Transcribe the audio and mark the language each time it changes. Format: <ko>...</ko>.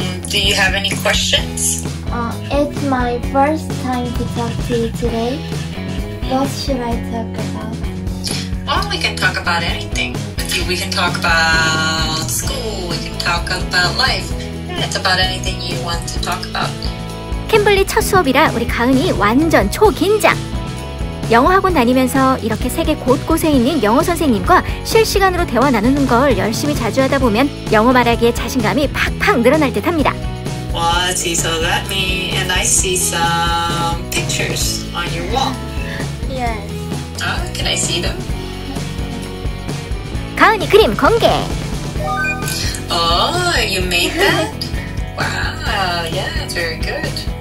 <en>Do you have any questions? It's my first time to talk to you today. What should I talk about? Well, we can talk about anything. We can talk about school. We can talk about life. It's about anything you want to talk about.</en> <ko>캠블리 첫 수업이라 우리 가은이 완전 초긴장. 영어 학원 다니면서 이렇게 세계 곳곳에 있는 영어 선생님과 실시간으로 대화 나누는 걸 열심히 자주 하다 보면 영어 말하기에 자신감이 팍팍 늘어날 듯합니다.</ko> <en>Wow, she so got me and I see some pictures on your wall. Yes. Can I see them?</en> <ko>가은이 그림 공개.</ko> <en>Oh, you made that? Wow, yeah, it's very good.</en>